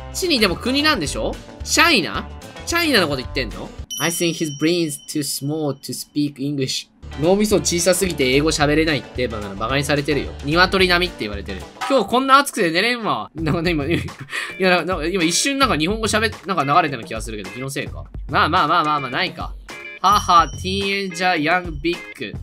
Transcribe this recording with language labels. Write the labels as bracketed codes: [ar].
[ja] チニでも国なんでしょ？チャイナ？チャイナのこと言ってんの？ [en] I think his brain's too small to speak English. [ja] 脳みそ小さすぎて英語喋れないってバカにされてるよ。鶏並みって言われてる。今日こんな暑くて寝れんわ。なんかね、今一瞬なんか日本語喋って、なんか流れてる気がするけど、気のせいか。まあ、ないか。母、ティーンエンジャー、ヤング、ビッグ。